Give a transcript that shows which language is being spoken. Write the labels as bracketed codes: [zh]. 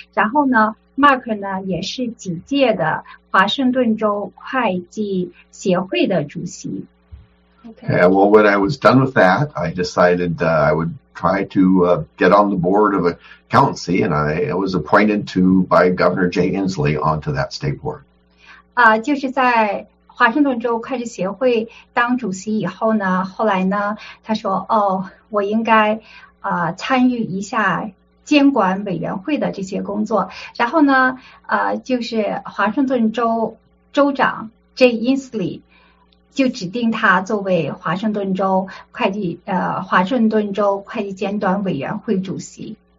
[zh] 然后呢 ，Mark 呢也是几届的华盛顿州会计协会的主席。 [en] Okay. Well, when I was done with that, I decided I would try to get on the board of a county, and I was appointed to by Governor Jay Inslee onto that state board. [zh] 就是在华盛顿州会计协会当主席以后呢，后来呢，他说：“哦，我应该参与一下监管委员会的这些工作。” 然后呢，就是华盛顿州州长 Jay Inslee 就指定他作为华盛顿州会计华盛顿州会计监管委员会主席。